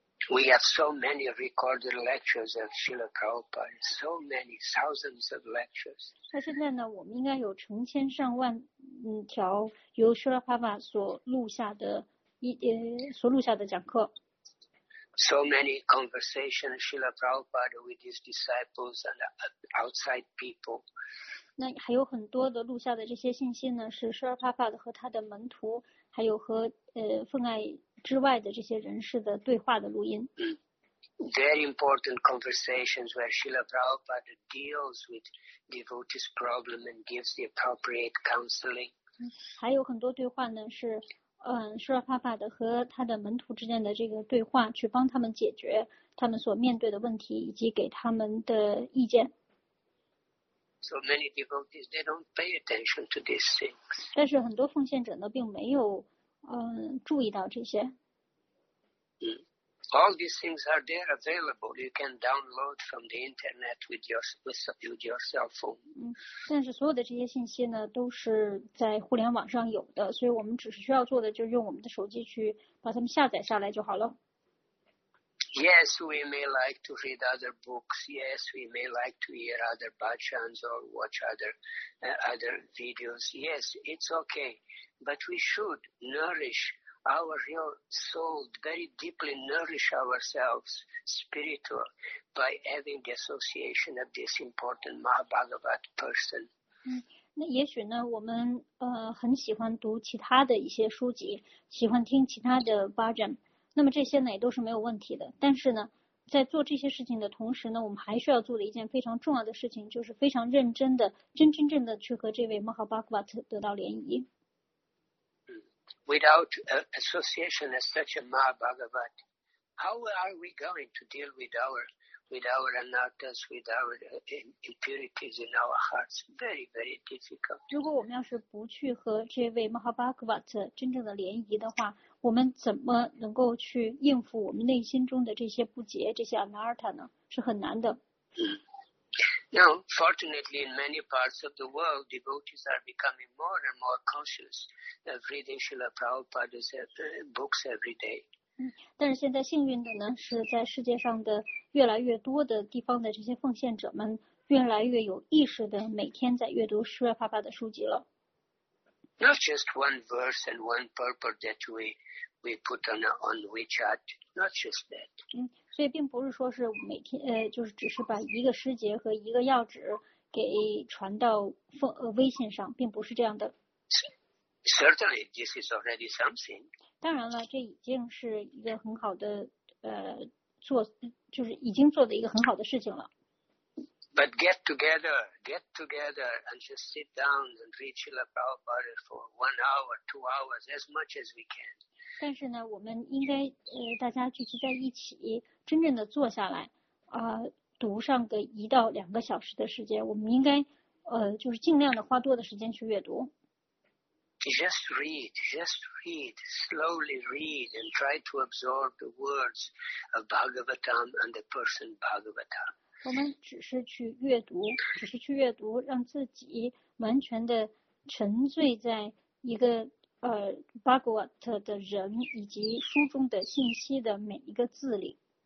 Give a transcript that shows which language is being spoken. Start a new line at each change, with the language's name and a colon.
English: We have so many recorded lectures of Srila Prabhupada, so many thousands of lectures.
Chinese: 那现在呢，我们应该有成千上万条由 Srila Prabhupada 所录下的讲课。
English: So many conversations, Srila Prabhupada with his disciples and outside people.
Chinese: 那还有很多的录下的这些信息呢，是舍尔帕帕的和他的门徒，还有和奉爱之外的这些人士的对话的录音。
English: Very important conversations where Srila Prabhupada deals with devotees' problem and gives the appropriate counseling.
Chinese: 还有很多对话呢是。舍拉帕帕的和他的门徒之间的这个对话，去帮他们解决他们所面对的问题，以及给他们的意见。
English: So many devotees, they don't pay attention to these things.
Chinese: 但是很多奉献者呢，并没有注意到这些。
English: All these things are there available. You can download from the internet with your cell phone.
Chinese: 但是所有的这些信息呢，都是在互联网上有的，所以我们只是需要做的就是用我们的手机去把它们下载下来就好了。
English: Yes, we may like to read other books. Yes, we may like to hear other bhajans or watch other videos. Yes, it's okay. But we should nourish our real soul, very deeply nourish ourselves spiritual by having the association of this important Mahabhagavat person.
Chinese: 那也许呢，我们很喜欢读其他的一些书籍，喜欢听其他的 bhajan。那么这些呢也都是没有问题的，但是呢在做这些事情的同时呢，我们还需要做的一件非常重要的事情，就是非常认真的真真正的去和这位 Mahabhagavat 得到联谊。
English: Without association as such a Mahabhagavat, how are we going to deal with our anattas, with our impurities in our hearts? Very, very difficult.
Chinese: 如果我们要是不去和这位 Mahabhagavat 真正的联谊的话，我们怎么能够去应付我们内心中的这些不洁、这些 anatta 呢？是很难的。
English: Now, fortunately, in many parts of the world, devotees are becoming more and more conscious of reading Srila Prabhupada's books every day.
Chinese: 但是现在幸运的呢，是在世界上的越来越多的地方的这些奉献者们，越来越有意识的每天在阅读Srila Prabhupada的书籍了。
English: Not just one verse and one purport that we put on WeChat, not just that.
Chinese: 所以并不是说是每天就是只是把一个诗节和一个要旨给传到微信上，并不是这样的。
English: Certainly, this is already something.
Chinese: 当然了，这已经是一个很好的做，就是已经做的一个很好的事情了。
English: But get together and just sit down and read Srila Prabhupada for 1 hour, 2 hours, as much as we can.
Chinese: 但是呢，我们应该大家聚集在一起，真正的坐下来读上个1到2个小时的时间。我们应该就是尽量的花多的时间去阅读。
English: Just read, slowly read and try to absorb the words of Bhagavatam and the person Bhagavatam.
Chinese: 我们只是去阅读，只是去阅读，让自己完全的沉醉在一个Bhagavat 的人以及书中的信息的每一个字里。